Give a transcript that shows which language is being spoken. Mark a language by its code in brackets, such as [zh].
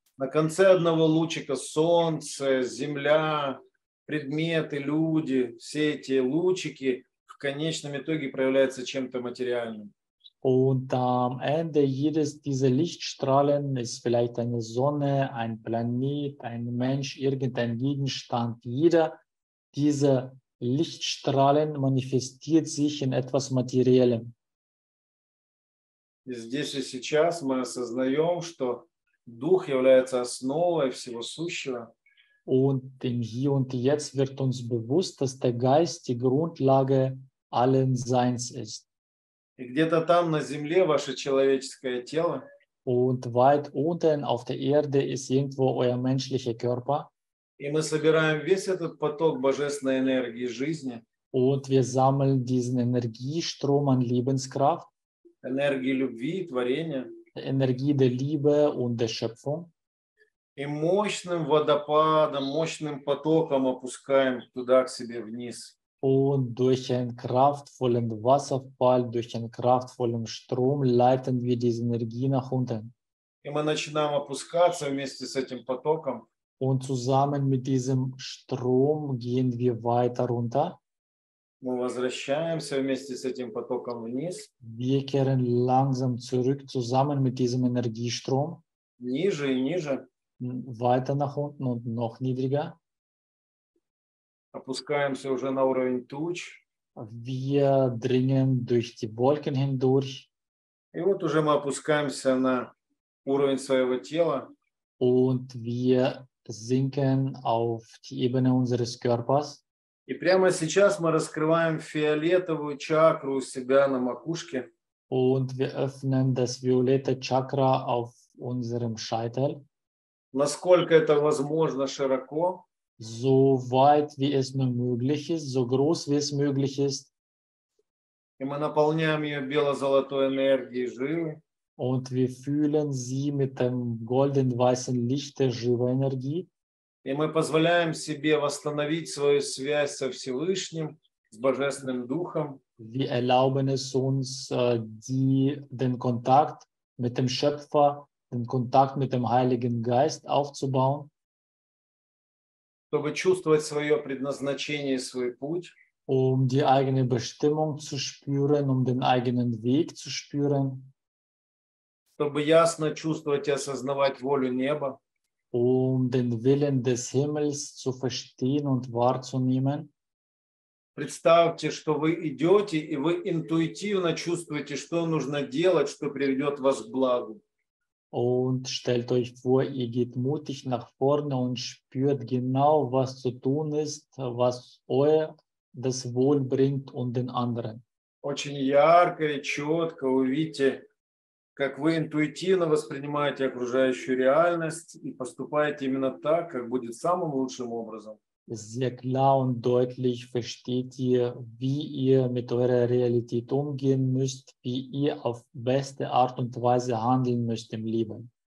[ru] На конце одного лучика солнце, земля, предметы, люди, все эти лучики в конечном итоге проявляются чем-то материальным. [de] Und am Ende jedes dieser Lichtstrahlen ist vielleicht eine Sonne, ein Planet, ein Mensch, irgendein Gegenstand. Jeder dieser Lichtstrahlen manifestiert sich in etwas Materiellem. [ru] И здесь и сейчас мы осознаем, что Дух является основой всего сущего. [de] Und im Hier und Jetzt wird uns bewusst, dass der Geist die Grundlage allen Seins ist. [ru] И где-то там на земле ваше человеческое тело. [de] Und weit unten auf der Erde ist irgendwo euer menschlicher Körper. [ru] И мы собираем весь этот поток божественной энергии жизни. [de] Und wir sammeln diesen Energiestrom an Lebenskraft. [ru] Энергии любви, творения. [de] Энергии der Liebe und der Schöpfung. [ru] И мощным водопадом, мощным потоком опускаем туда к себе вниз. [de] Und durch einen kraftvollen Wasserfall, durch einen kraftvollen Strom leiten wir diese Energie nach unten. [ru] И мы начинаем опускаться вместе с этим потоком. [de] Und zusammen mit diesem Strom gehen wir weiter runter. [ru] Мы возвращаемся вместе с этим потоком вниз. [de] Wir kehren langsam zurück zusammen mit diesem Energiestrom. [ru] Ниже и ниже. [de] Weiter nach unten und noch niedriger. [ru] Опускаемся уже на уровень туч. [de] Wir dringen durch die Wolken hindurch. [ru] И вот уже мы опускаемся на уровень своего тела. [de] Und wir sinken auf die Ebene unseres Körpers. [ru] И прямо сейчас мы раскрываем фиолетовую чакру у себя на макушке. [de] Und wir öffnen das violette Chakra auf unserem Scheitel. [ru] Насколько это возможно широко. [de] So weit, wie es nur möglich ist, so groß, wie es möglich ist. [ru] И мы наполняем ее бело-золотой энергией живы. [de] Und wir fühlen sie mit dem golden-weißen Licht der [ru] живой энергии. И мы позволяем себе восстановить свою связь со Всевышним, с Божественным Духом. [de] Wir erlauben es uns, den Kontakt mit dem Schöpfer, den Kontakt mit dem Heiligen Geist aufzubauen. [ru] Чтобы чувствовать свое предназначение и свой путь. [de] Um die eigene Bestimmung zu spüren, um den eigenen Weg zu spüren. [ru] Чтобы ясно чувствовать и осознавать волю неба. [de] Um den Willen des Himmels zu verstehen und wahrzunehmen. [ru] Представьте, что вы идете, и вы интуитивно чувствуете, что нужно делать, что приведет вас к благу. [de] Und stellt euch vor, ihr geht mutig nach vorne und spürt genau, was zu tun ist, was euer das Wohl bringt und den anderen. [ru] Очень ярко и четко увидите, как вы интуитивно воспринимаете окружающую реальность и поступаете именно так, как будет самым лучшим образом. [de] Sehr klar und deutlich versteht ihr, wie ihr mit eurer Realität umgehen müsst, wie ihr auf beste Art und Weise handeln müsst im Leben.